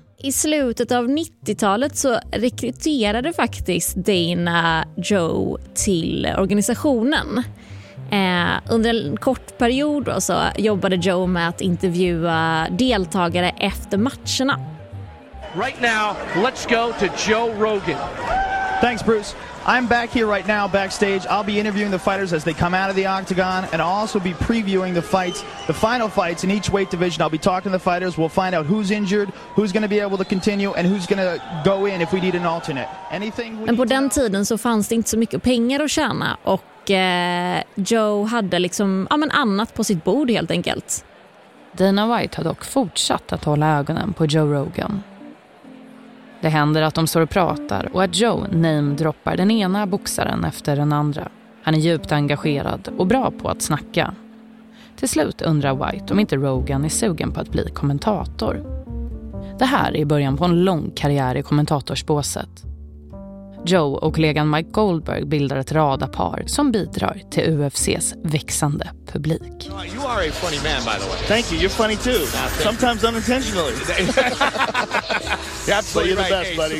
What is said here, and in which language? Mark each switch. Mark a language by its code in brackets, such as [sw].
[sv] I slutet av 90-talet så rekryterade faktiskt Dana Joe till organisationen. Under en kort period så jobbade Joe med att intervjua deltagare efter matcherna. [en] Right now, let's go to Joe Rogan. Thanks, Bruce. I'm back here right now backstage. I'll be interviewing the fighters as they come out of the octagon and I'll also be previewing the fights, the final fights in each weight division. I'll be talking to the fighters. We'll find out who's injured, who's going to be able to continue and who's going to go in if we need an alternate. Anything we [sv] Men på den tiden så fanns det inte så mycket pengar att tjäna och Joe hade liksom annat på sitt bord helt enkelt. Dana White har dock fortsatt att hålla ögonen på Joe Rogan. Det händer att de står och pratar och att Joe namedroppar den ena boxaren efter den andra. Han är djupt engagerad och bra på att snacka. Till slut undrar White om inte Rogan är sugen på att bli kommentator. Det här är början på en lång karriär i kommentatorsbåset. Joe och kollegan Mike Goldberg bildar ett radapar som bidrar till UFC:s växande publik. [en] You are a funny man, by the way. Thank you. You're funny too. Sometimes unintentionally. Yeah, absolutely the best, buddy.